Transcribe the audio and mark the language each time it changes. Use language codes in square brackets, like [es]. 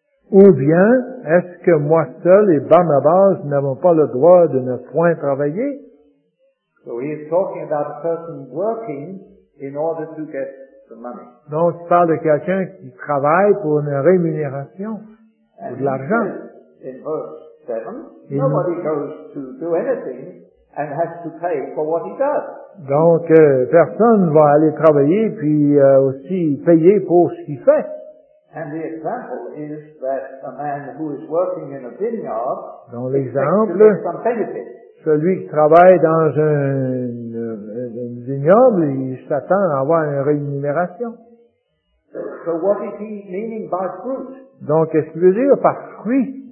[fr] ou bien, est-ce que moi seul et Barnabas n'avons pas le droit de ne point travailler? [en] So he is talking about a person working in order to get the money. [fr] Donc, il parle de quelqu'un qui travaille pour une rémunération, pour de l'argent. [en] In verse 7, et nobody goes to do anything and has to pay for what he does. [fr] Donc, personne ne va aller travailler puis aussi payer pour ce qu'il fait. [en] And the example is that a man who is working in a vineyard. [fr] Dans l'exemple, [en] some benefit. [fr] Celui qui travaille dans un vignoble, il s'attend à avoir une rémunération. [en] So what is he meaning by fruit? [fr] Donc, qu'est-ce qu'il veut dire par fruit?